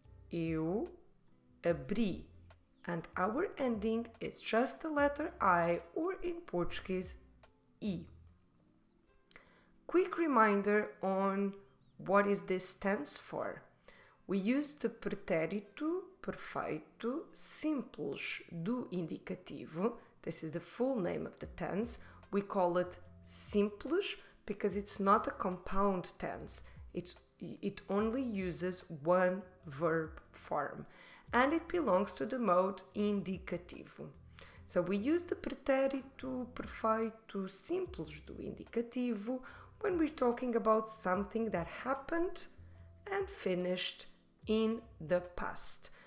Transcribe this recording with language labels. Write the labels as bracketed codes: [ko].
[pt] Eu abri. [en] And our ending is just the letter I, or in Portuguese, I. Quick reminder on what is this tense for. We use the pretérito perfeito simples do indicativo. This is the full name of the tense. We call it simples because it's not a compound tense. It only uses one verb form. And it belongs to the mode indicativo. So we use the pretérito perfeito simples do indicativo when we're talking about something that happened and finished in the past.